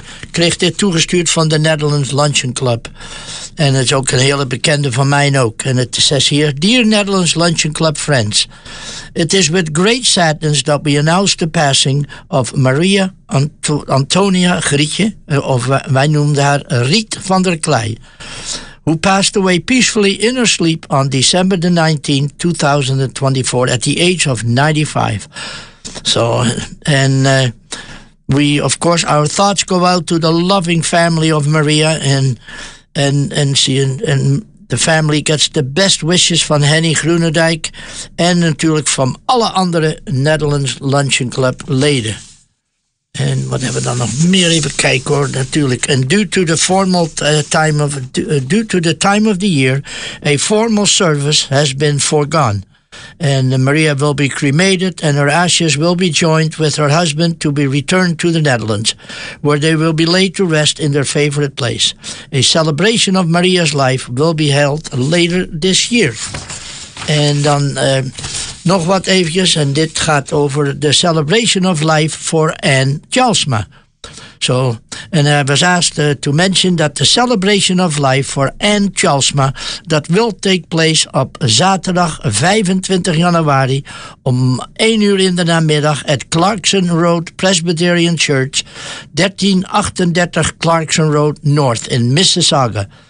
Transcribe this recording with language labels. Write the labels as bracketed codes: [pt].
[nl] kreeg dit toegestuurd van de Netherlands Luncheon Club. En het is ook een hele bekende van mij ook. En het [en] says here, dear Netherlands Luncheon Club friends, it is with great sadness that we announce the passing of Maria Antonia Grietje, [nl] of wij noemden haar [en] Riet van der Kleij, who passed away peacefully in her sleep on December the 19th, 2024, at the age of 95. So, and we, of course, our thoughts go out to the loving family of Maria and the family gets the best wishes [nl] van Henny Groenendijk en natuurlijk van alle andere Netherlands Luncheon Club leden. En wat hebben we dan nog meer? Even kijken hoor, natuurlijk. [en] And due to the formal time of the year, a formal service has been foregone. And Maria will be cremated and her ashes will be joined with her husband to be returned to the Netherlands, where they will be laid to rest in their favorite place. A celebration of Maria's life will be held later this year. [nl] En dan nog wat eventjes, en dit gaat over [en] the celebration of life for Anne Jalsma. So, and I was asked to mention that the celebration of life for Anne Jalsma that will take place [nl] op zaterdag 25 januari om 1 uur in de namiddag [en] at Clarkson Road Presbyterian Church, 1338 Clarkson Road North in Mississauga.